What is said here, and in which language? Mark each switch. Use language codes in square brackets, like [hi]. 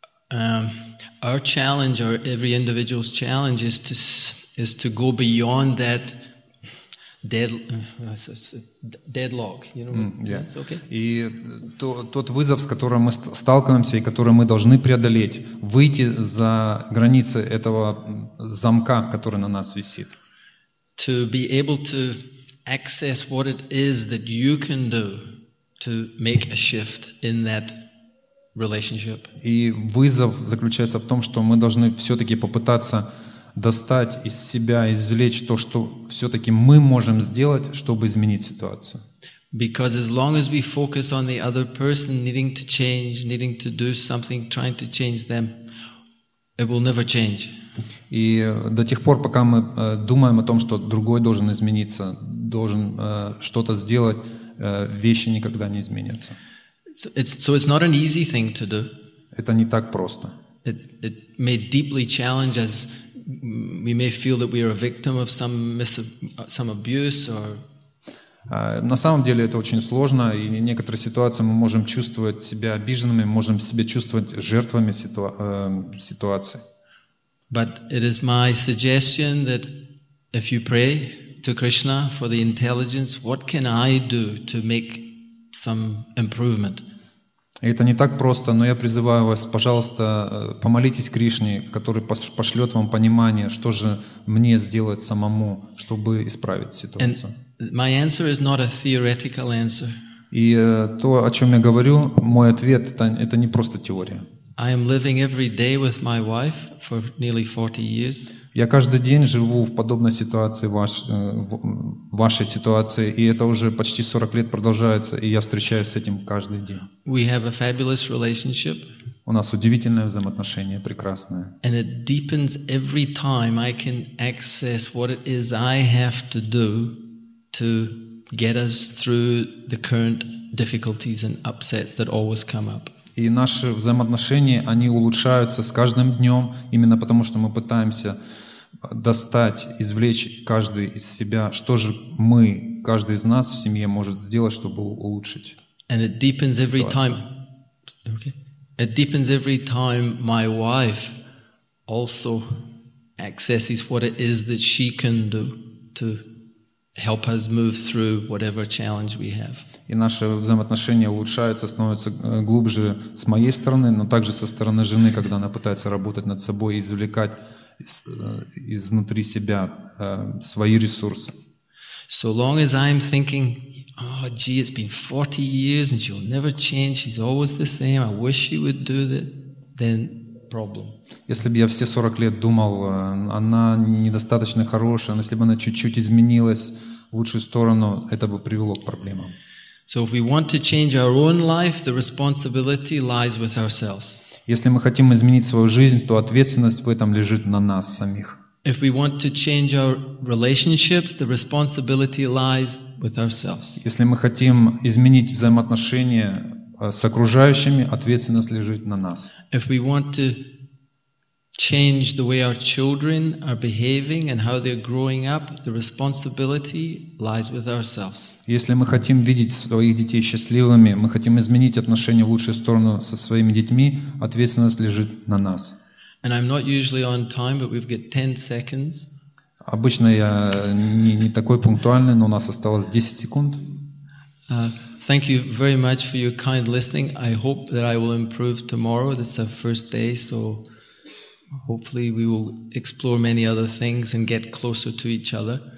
[en] Our challenge, or every individual's challenge, is to go beyond that deadlock. You know, that's okay. [ru] И тот вызов, с которым мы сталкиваемся и который мы должны преодолеть, выйти за границы этого замка, который на нас висит. [en] To be able to access what it is that you can do to make a shift in that relationship. [ru] И вызов заключается в том, что мы должны все-таки попытаться достать из себя, извлечь то, что все-таки мы можем сделать, чтобы изменить ситуацию. [en] Because as long as we focus on the other person needing to change, needing to do something, trying to change them, it will never change. [ru] И до тех пор, пока мы думаем о том, что другой должен измениться, должен что-то сделать, вещи никогда не изменятся. [en] So it's not an easy thing to do. [ru] Это не так просто. [en] It may deeply challenge us. We may feel that we are a victim of some abuse or. [ru] На самом деле это очень сложно, и в некоторых ситуациях мы можем чувствовать себя обиженными, можем себя чувствовать жертвами ситуации. [en] But it is my suggestion that if you pray to Krishna for the intelligence, what can I do to make some improvement? [ru] Это не так просто, но я призываю вас, пожалуйста, помолитесь Кришне, который пошлет вам понимание, что же мне сделать самому, чтобы исправить ситуацию. [en] And my answer is not a theoretical answer. [ru] И то, о чем я говорю, мой ответ, это не просто теория. [en] I am living every day with my wife for nearly 40 years. [ru] Я каждый день живу в подобной ситуации, вашей ситуации, и это уже почти 40 лет продолжается, и я встречаюсь с этим каждый день. [en] We have a fabulous relationship. [ru] У нас удивительное взаимоотношение, прекрасное. [en] And it deepens every time I can access what it is I have to do to get us through the current difficulties and upsets that always come up. [ru] И наши взаимоотношения, они улучшаются с каждым днем, именно потому, что мы пытаемся достать, извлечь каждый из себя, что же мы, каждый из нас в семье может сделать, чтобы улучшить. [en] And it deepens every time. Okay. It deepens every time my wife also accesses what it is that she can do to help us move through whatever challenge we have. [ru] И наши взаимоотношения улучшаются, становятся глубже с моей стороны, но также со стороны жены, когда она пытается работать над собой и извлекать изнутри себя свои ресурсы. [en] So long as I'm thinking, oh gee, it's been 40 years and she'll never change, she's always the same, I wish she would do that, then problem. [ru] Если бы я все 40 лет думал, она недостаточно хорошая, если бы она чуть-чуть изменилась в лучшую сторону, это бы привело к проблемам. [en] So if we want to change our own life, the responsibility lies with ourselves. [ru] Если мы хотим изменить свою жизнь, то ответственность в этом лежит на нас самих. [en] If we want to change our relationships, the responsibility lies with ourselves. [ru] Если мы хотим изменить взаимоотношения с окружающими, ответственность лежит на нас. [en] If we want to change the way our children are behaving and how they're growing up, the responsibility lies with ourselves. [ru] Если мы хотим видеть своих детей счастливыми, мы хотим изменить отношения в лучшую сторону со своими детьми, ответственность лежит на нас. [en] And I'm not usually on time, but we've got 10 seconds. [ru] Обычно я не такой пунктуальный, но у нас осталось 10 секунд. [en] Thank you very much for your kind listening. I hope that I will improve tomorrow. This is our first day, so hopefully we will explore many other things and get closer to each other.